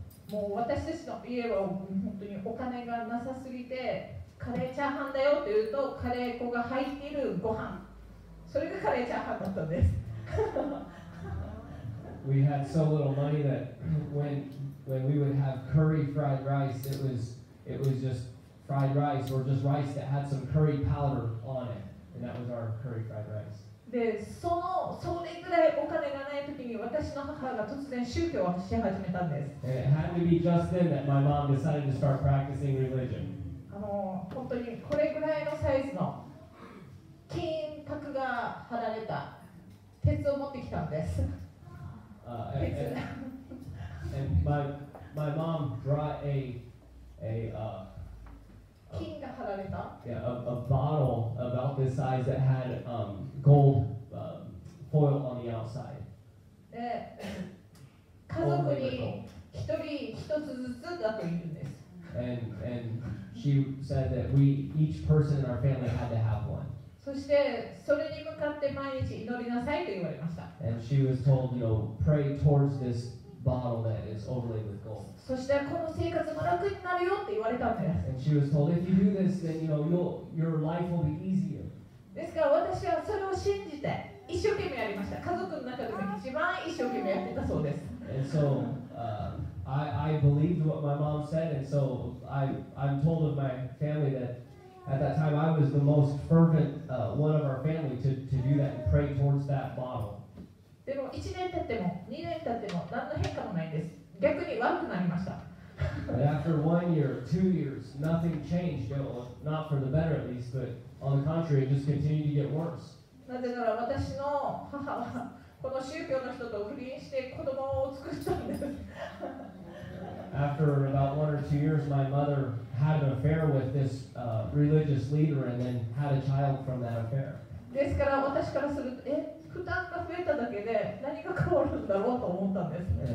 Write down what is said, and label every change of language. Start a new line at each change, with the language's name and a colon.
Japanese: もう私たちの家は本当にお金がなさすぎて、カレーチャーハンだよって言うとカレー粉が入っているご飯、それがカレーチャーハンだったんです。
English: We had so little money that when we would have curry fried rice, it was just fried rice or just rice that had some curry powder on it, and that was our curry fried rice.
Japanese: で、それぐらいお金がない時に私の母が突然宗教をし始めたんです。
English: It had to be just then that my mom decided to start practicing religion.
Japanese: 本当にこれぐらいのサイズの金箔が貼られた鉄を持ってきたんです。
English: And my mom brought a bottle about this size that had gold foil on the outside. And she said that we each person in our family had to have one.
Japanese: そしてそれに向かって毎日祈りなさいと言われました。
English: And she was told, you know, pray towards this bottle that is overlaid with gold.
Japanese: そしてこの生活も楽になるよって言われたんです。
English: And she was told, if you do this, then you know, your life will be easier.
Japanese: ですから私はそれを信じて一生懸命やりました。家族の中でも一番一生懸命やってたそうです。
English: And so, I believed what my mom said, and so I'm told of my family that. At that time, I was the most fervent one of our family to do that and pray towards that bottle.
Japanese: でも1年経っても2年経っても何の変化もないです。逆に悪くなりました。
English: But after 1 year, 2 years, nothing changed. You know, not for the better, at least, but on the contrary, it just continued to get worse.
Japanese: なぜなら私の母はこの宗教の人と不倫して子供を作ったんです。
English: After about 1 or 2 years, my mother had an affair with this religious leader and then had a child from that affair.
Japanese: ですから私からすると、負担が増えただけで何が変わるんだろうと思ったんです。